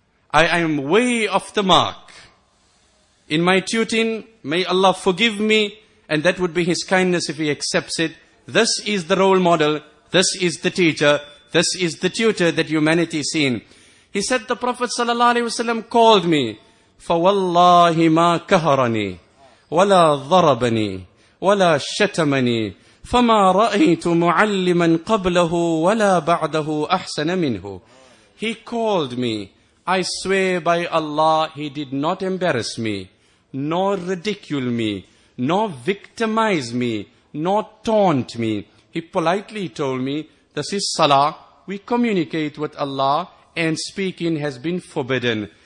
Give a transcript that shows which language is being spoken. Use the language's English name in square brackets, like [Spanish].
[English] I am way off the mark. In my tutin, may Allah forgive me, and that would be His kindness if He accepts it. This is the role model. This is the teacher. This is the tutor that humanity is seen. He said, the Prophet sallallahu alaihi wasallam called me. [Arabic] فَوَاللَّهِ مَا كَهَرَنِي وَلَا ضَرَبَنِي وَلَا شَتَمَنِي فَمَا رَأَيْتُ مُعَلِّمًا قَبْلَهُ وَلَا بَعْدَهُ أَحْسَنَ مِنْهُ [English] He called me. I swear by Allah, he did not embarrass me, nor ridicule me, nor victimize me, nor taunt me. He politely told me, this is salah, we communicate with Allah, and speaking has been forbidden.